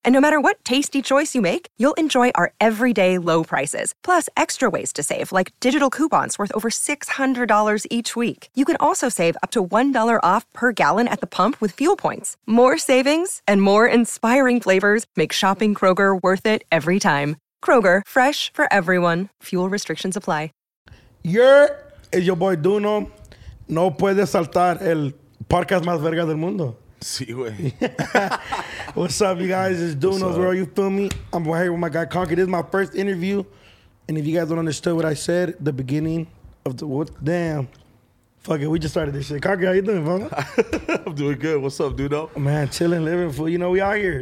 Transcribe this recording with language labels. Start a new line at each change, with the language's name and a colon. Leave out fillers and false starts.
English: And no matter what tasty choice you make, you'll enjoy our everyday low prices, plus extra ways to save, like digital coupons worth over $600 each week. You can also save up to $1 off per gallon at the pump with fuel points. More savings and more inspiring flavors make shopping Kroger worth it every time. Kroger, fresh for everyone. Fuel restrictions apply. Your boy
Spanish: Duno no puede saltar el podcast más verga del mundo. Sí, güey.
English: What's up, you guys? It's Duno's World. You feel me? I'm here with my guy Conky. This is my first interview. And if you guys don't understand what I said, the beginning of the... What? Damn. Fuck it. We just started this shit. Conky, how you doing, man? I'm doing good. What's up, Duno? Man, chilling, living, fool. You know, we out here.